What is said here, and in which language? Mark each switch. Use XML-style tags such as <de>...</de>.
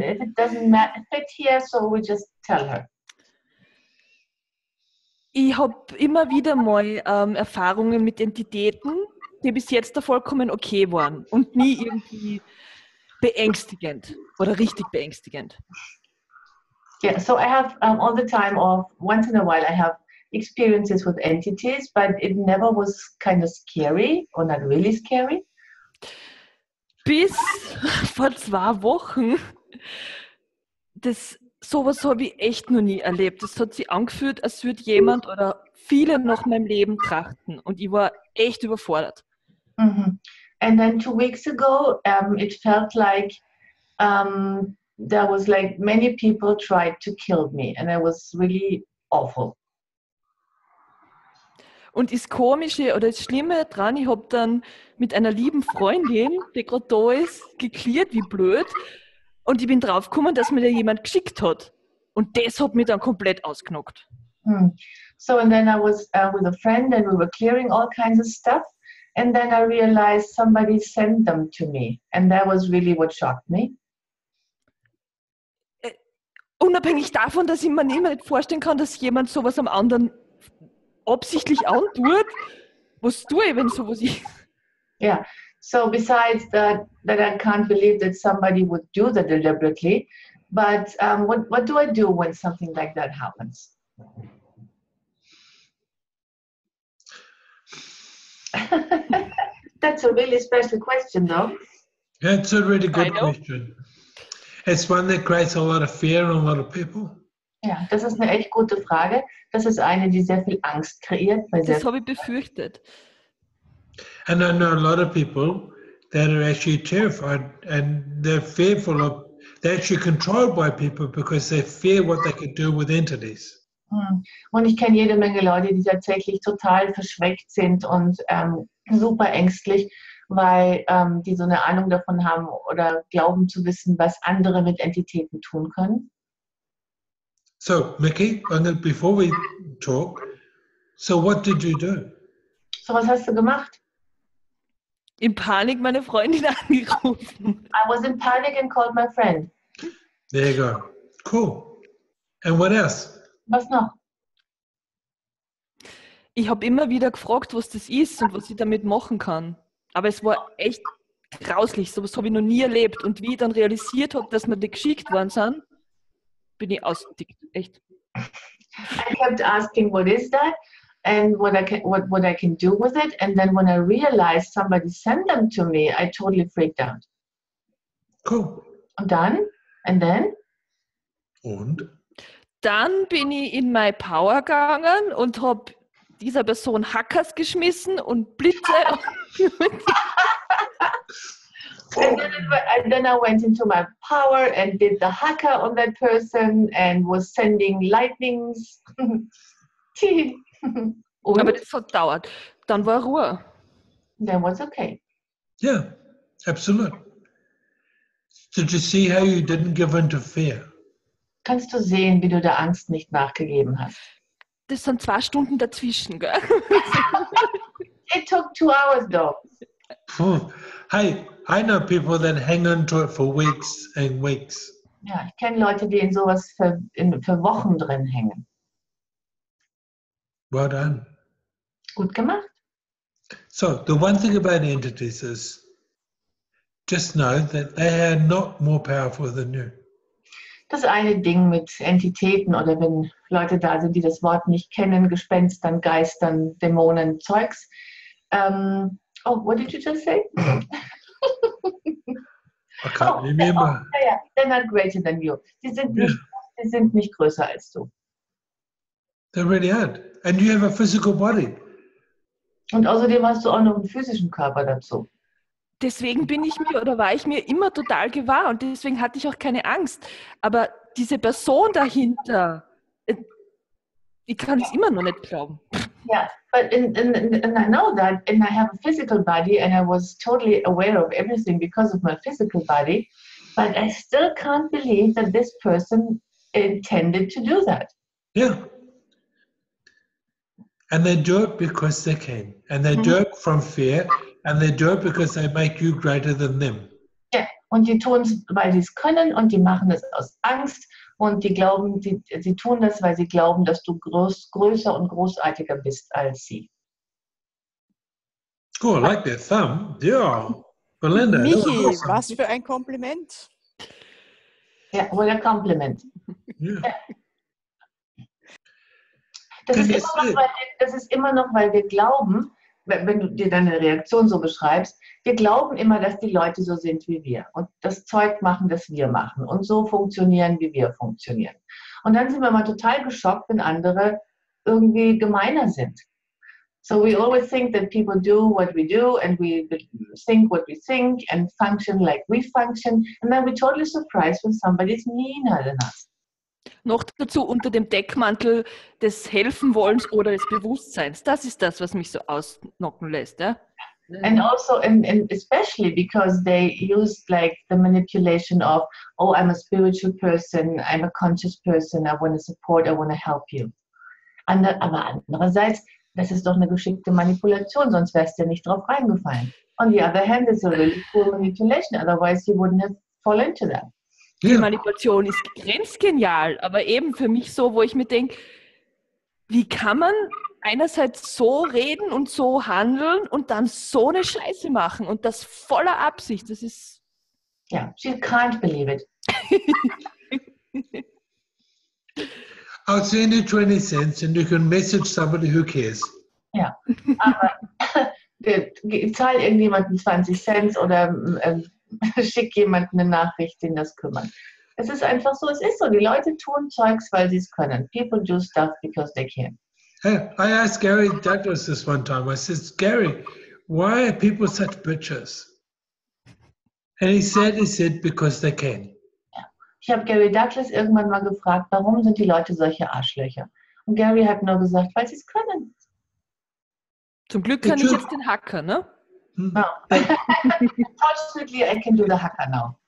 <en>If it doesn't fit here, so we just tell her.</en> <de>Ich habe immer wieder mal Erfahrungen mit Entitäten, die bis jetzt da vollkommen okay waren und nie irgendwie beängstigend oder richtig beängstigend.</de> <en>Yeah, so I have all the time, or once in a while, I have experiences with entities, but it never was kind of scary or not really scary.</en> <de>Bis vor zwei Wochen, das sowas habe ich echt noch nie erlebt. Das hat sich angefühlt, als würde jemand oder viele nach meinem Leben trachten, und ich war echt überfordert. Mm-hmm.</de> <en>And then 2 weeks ago, it felt like there was like many people tried to kill me, and it was really awful.</en> <de>Und das Komische oder das Schlimme dran, ich habe dann mit einer lieben Freundin, die gerade da ist, geklärt, wie blöd, und ich bin drauf gekommen, dass mir da jemand geschickt hat, und das hat mich dann komplett ausgenockt. Mm.</de> <en>So, and then I was with a friend, and we were clearing all kinds of stuff. And then I realized somebody sent them to me. And that was really what shocked me.</en> <de>Unabhängig davon, dass ich mir nicht vorstellen kann, dass jemand sowas am anderen absichtlich antut, was tue ich, wenn sowas ist?</de> <en>Yeah. So besides that I can't believe that somebody would do that deliberately. But what do I do when something like that happens? That's a really special question, though. Yeah, it's a really good question. It's one that creates a lot of fear in a lot of people.</en> <de>Ja, das ist eine echt gute Frage. Das ist eine, die sehr viel Angst kreiert. Das habe ich befürchtet.</de> <en>And I know a lot of people that are actually terrified, and they're fearful of, they're actually controlled by people because they fear what they could do with entities.</en> <de>Und ich kenne jede Menge Leute, die tatsächlich total verschreckt sind und super ängstlich, weil die so eine Ahnung davon haben oder glauben zu wissen, was andere mit Entitäten tun können.</de> <en>So, Mickey, before we talk, so what did you do?</en> <de>So, was hast du gemacht? In Panik meine Freundin angerufen.</de> <en>I was in panic and called my friend. There you go. Cool. And what else?</en> <de>Was noch? Ich habe immer wieder gefragt, was das ist und was ich damit machen kann. Aber es war echt grauslich. So etwas habe ich noch nie erlebt. Und wie ich dann realisiert habe, dass mir die geschickt worden sind, bin ich ausgedickt. Echt.</de> <en>I kept asking, what is that? And what I can do with it? And then when I realized somebody sent them to me, I totally freaked out. Cool.</en> <de>Und dann?</de> <en>And then?</en> <de>Und? Dann bin ich in</de> <en>My Power</en> <de>gegangen und habe dieser Person Hackers geschmissen und Blitze.</de> <en>And then I went into my power and did the Hakka on that person and was sending lightnings.</en> <de>Und? Aber das hat dauert. Dann war Ruhe.</de> <en>Then was okay. Yeah, absolutely. Did you see how you didn't give in to fear?</en> <de>Kannst du sehen, wie du der Angst nicht nachgegeben hast? Das sind 2 Stunden dazwischen, gell?</de> <en>It took 2 hours, though. Hey, I know people that hang on to it for weeks and weeks.</en> <de>Ja, ich kenne Leute, die in sowas für Wochen drin hängen.</de> <en>Well done.</en> <de>Gut gemacht.</de> <en>So, the one thing about entities is, just know that they are not more powerful than you.</en> <de>Das eine Ding mit Entitäten oder wenn Leute da sind, die das Wort nicht kennen, Gespenstern, Geistern, Dämonen, Zeugs.</de> <en>Oh, what did you just say? I can't remember. They're not greater than you.</en> <de>Die sind nicht größer als du.</de> <en>They really aren't. And you have a physical body.</en> <de>Und außerdem hast du auch noch einen physischen Körper dazu. Deswegen bin ich mir oder war ich mir immer total gewahr und deswegen hatte ich auch keine Angst. Aber diese Person dahinter, ich kann es immer noch nicht glauben.</de> <en>Yeah, but and I know that, and I have a physical body and I was totally aware of everything because of my physical body, but I still can't believe that this person intended to do that. Yeah. And they do it because they can. And they do it from fear. And they do it because they make you greater than them.</en> <de>Ja, und die tun es, weil sie es können und die machen es aus Angst und die glauben, sie tun das, weil sie glauben, dass du größer und großartiger bist als sie.</de> <en>Cool, I like that thumb. Yeah. Belinda,</en> <de>Michi, awesome. Was für ein Kompliment.</de> <en>Ja, what a compliment. Yeah.</en> <de>Das ist immer noch, weil wir glauben, wenn du dir deine Reaktion so beschreibst, wir glauben immer, dass die Leute so sind wie wir und das Zeug machen, das wir machen und so funktionieren, wie wir funktionieren. Und dann sind wir mal total geschockt, wenn andere irgendwie gemeiner sind.</de> <en>So we always think that people do what we do and we think what we think and function like we function and then we're totally surprised when somebody's meaner than us.</en> <de>Noch dazu unter dem Deckmantel des Helfenwollens oder des Bewusstseins. Das ist das, was mich so ausknocken lässt. Ja?</de> <en>And also, and especially because they used like the manipulation of, oh, I'm a spiritual person, I'm a conscious person, I want to support, I want to help you.</en> <de>Aber andererseits, das ist doch eine geschickte Manipulation, sonst wärst du nicht drauf reingefallen.</de> <en>On the other hand, it's a really cool manipulation, otherwise you wouldn't have fallen into that.</en> <de>Die Manipulation ist grenzgenial, aber eben für mich so, wo ich mir denke, wie kann man einerseits so reden und so handeln und dann so eine Scheiße machen und das voller Absicht, das ist...</de> <en>Ja, yeah, she can't believe it. I'll send you 20 cents and you can message somebody who cares.</en> <de>Ja, aber zahl irgendjemanden 20 Cent oder... schick jemanden eine Nachricht, den das kümmert. Es ist einfach so, es ist so. Die Leute tun Zeugs, weil sie es können.</de> <en>People do stuff because they can. Hey, I asked Gary Douglas this one time. I said, Gary, why are people such bitches? And he said, because they can.</en> <de>Ja. Ich habe Gary Douglas irgendwann mal gefragt, warum sind die Leute solche Arschlöcher? Und Gary hat nur gesagt, weil sie es können. Zum Glück kann ich jetzt den Hacker, ne?</de> <en>No. Fortunately, I can do the Hakka now.</en>